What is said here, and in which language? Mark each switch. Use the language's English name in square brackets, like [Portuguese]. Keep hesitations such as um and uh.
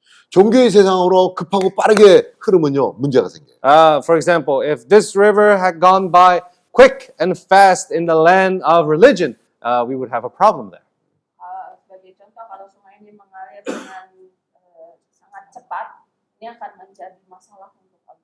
[Korean] 종교의 세상으로 급하고 빠르게 흐르면요 문제가 생겨요. [English] Uh, for example, if this river had gone by quick and fast in the land of religion, uh, we would have a problem there. [Korean] 아, 정도, 그런 [Indonesian] sungai ini mengalir dengan sangat cepat, ini akan menjadi masalah untuk